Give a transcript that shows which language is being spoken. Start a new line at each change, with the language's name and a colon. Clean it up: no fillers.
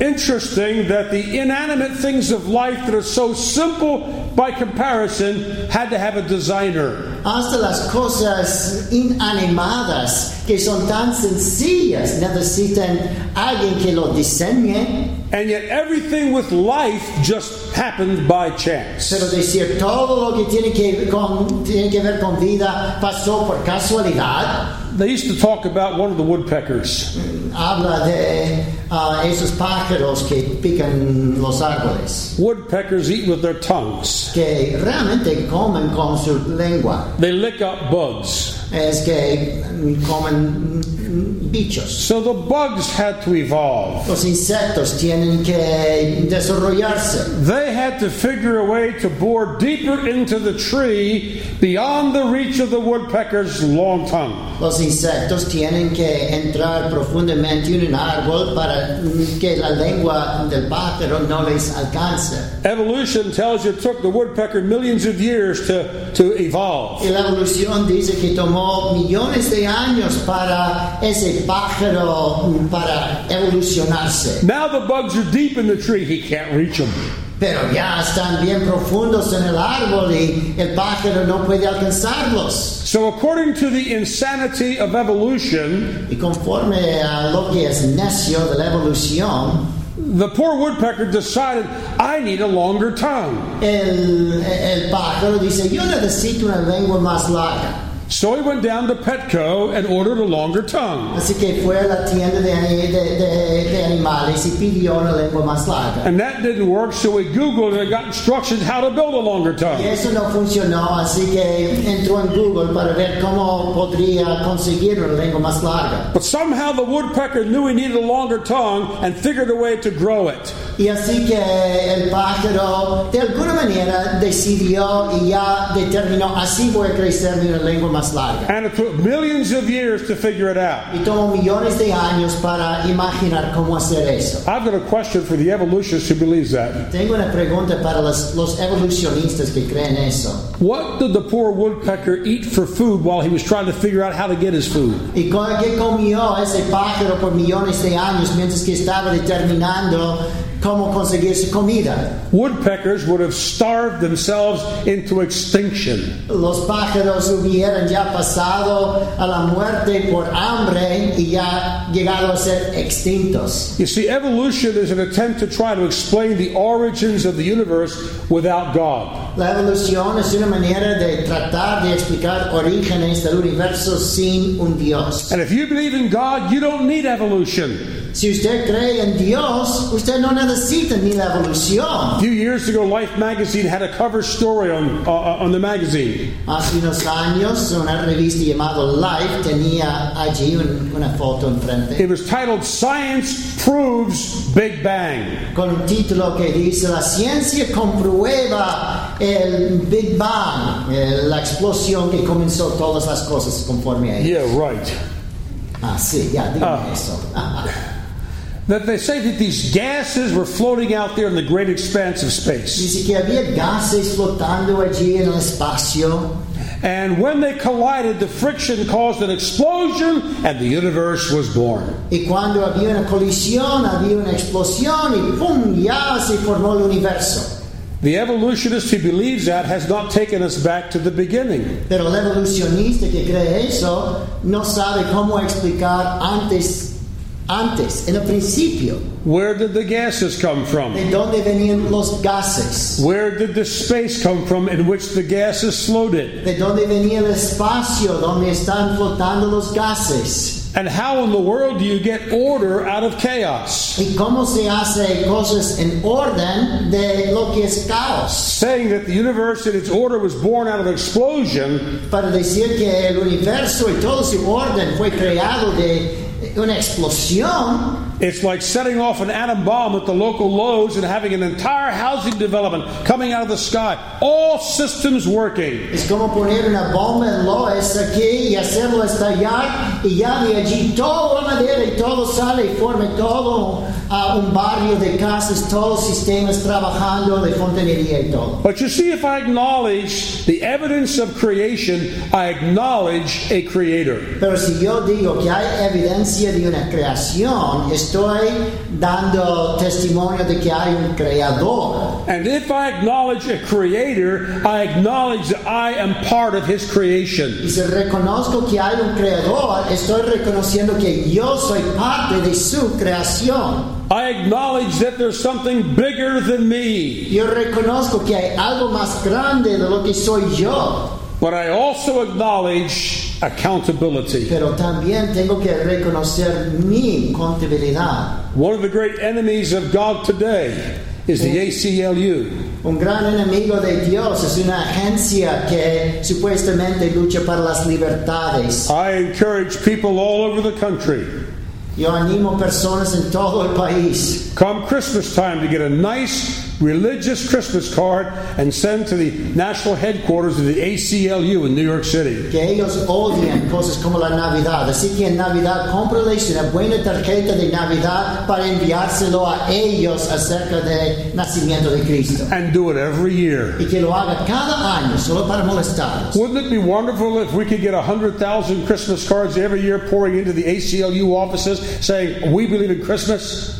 English: Interesting that the inanimate things of life that are so simple by comparison had to have a designer.
Spanish: Hasta las cosas inanimadas que son tan sencillas necesitan alguien que lo diseñe.
English: And yet everything with life just happened by chance.
Spanish: Pero decir todo lo que tiene que ver con vida pasó por casualidad.
English: They used to talk about one of the woodpeckers.
Spanish: Habla de esos pájaros que pican los árboles.
English: Woodpeckers eat with their tongues.
Spanish: Que realmente comen con su lengua.
English: They lick up bugs.
Spanish: Es que comen bichos.
English: So the bugs had to evolve.
Spanish: Los insectos tienen que desarrollarse.
English: They had to figure a way to bore deeper into the tree beyond the reach of the woodpecker's long tongue.
Spanish: Los insectos tienen que entrar profundamente en un árbol para que la lengua del pájaro no les alcance.
English: Evolution tells you it took the woodpecker millions of years to evolve.
Spanish: Y la evolución dice que tomó millones de años para ese pájaro para evolucionarse.
English: Now the bugs are deep in the tree, he can't reach them.
Spanish: Pero ya están bien profundos en el árbol y el pájaro no puede alcanzarlos.
English: So according to the insanity of evolution,
Spanish: y conforme a lo que es necio de la evolución,
English: the poor woodpecker decided, I need a longer tongue.
Spanish: El pájaro dice, yo necesito una lengua más larga.
English: So he went down to Petco and ordered a longer tongue.
Spanish: Así que fue a la tienda de animales y pidió una lengua más larga.
English: And that didn't work, so he Googled and got instructions how to build a longer tongue.
Spanish: Y eso no funcionó, así que entró en Google para ver cómo podría conseguir una lengua más larga.
English: But somehow the woodpecker knew he needed a longer tongue and figured a way to grow it.
Spanish: Y así que el pájaro de alguna manera decidió y ya determinó, así voy a crecer mi lengua más larga. más larga.
English: And it took millions of years to figure it out.
Spanish: Y tomó millones de años para imaginar cómo hacer eso.
English: I've got a question for the evolutionist who believes that.
Spanish: Tengo una pregunta para los evolucionistas que creen eso.
English: What did the poor woodpecker eat for food while he was trying to figure out how to get his food?
Spanish: ¿Y qué comió ese pájaro por millones de años mientras que estaba determinando cómo conseguir su comida?
English: Woodpeckers would have starved themselves into extinction.
Spanish: Los pájaros hubieran ya pasado a la muerte por hambre y ya llegado a ser extintos.
English: You see, evolution is an attempt to try to explain the origins of the universe without God.
Spanish: La evolución es una manera de tratar de explicar orígenes del universo sin un Dios.
English: And if you believe in God, you don't need evolution.
Spanish: Si usted cree en Dios, usted no necesita ni la evolución.
English: A few years ago, Life magazine had a cover story on the magazine.
Spanish: Hace unos años, una revista llamada Life tenía allí una foto enfrente.
English: It was titled "Science Proves Big Bang."
Spanish: Con un título que dice "La ciencia comprueba el Big Bang, la explosión que comenzó todas las cosas conforme a ellos."
English: Yeah, right.
Spanish: Ah, sí, ya dime eso.
English: That they say that these gases were floating out there in the great expanse of space.
Spanish: Dice que había gases flotando allí en el espacio.
English: And when they collided, the friction caused an explosion, and the universe was born.
Spanish: Y cuando había una explosión, y pum, ya se formó el universo.
English: The evolutionist who believes that has not taken us back to the beginning.
Spanish: Pero el evolucionista que cree eso no sabe cómo explicar antes, en el principio.
English: Where did the gases come from?
Spanish: ¿De dónde venían los gases?
English: Where did the space come from in which the gases floated?
Spanish: ¿De dónde venía el espacio donde están flotando los gases?
English: And how in the world do you get order out of chaos?
Spanish: ¿Y cómo se hace cosas en orden de lo que es caos?
English: Saying that the universe and its order was born out of explosion.
Spanish: Para decir que el universo y todo su orden fue creado de una explosión.
English: It's like setting off an atom bomb at the local Lowe's and having an entire housing development coming out of the sky. All systems working.
Spanish: Es como poner una bomba en Lowe's aquí y hacerlo estallar y ya de allí todo madera y todo sale y forme todo un barrio de casas, todos sistemas trabajando de fontanería y todo.
English: But you see, if I acknowledge the evidence of creation, I acknowledge a creator.
Spanish: Pero si yo digo que hay evidencia de una creación, estoy dando testimonio de que hay un creador.
English: And if I acknowledge a creator, I acknowledge that I am part of his creation.
Spanish: Y si reconozco que hay un creador, estoy reconociendo que yo soy parte de su creación.
English: I acknowledge that there's something bigger than me.
Spanish: Yo reconozco que hay algo más grande de lo que soy yo.
English: But I also acknowledge accountability.
Spanish: Pero también tengo que reconocer mi contabilidad.
English: One of the great enemies of God today is the ACLU.
Spanish: Un gran enemigo de Dios es una agencia que supuestamente lucha para las libertades.
English: I encourage people all over the country.
Spanish: Yo animo personas en todo el país.
English: Come Christmas time to get a nice religious Christmas card and send to the national headquarters of the ACLU in New York City.
Spanish: Que ellos odian cosas como la Navidad. Así que en Navidad, cómprales una buena tarjeta de Navidad para enviárselo a ellos acerca del nacimiento de Cristo.
English: And do it every year.
Spanish: Y que lo haga cada año, solo para molestarlos.
English: Wouldn't it be wonderful if we could get 100,000 Christmas cards every year pouring into the ACLU offices saying, "We believe in Christmas"?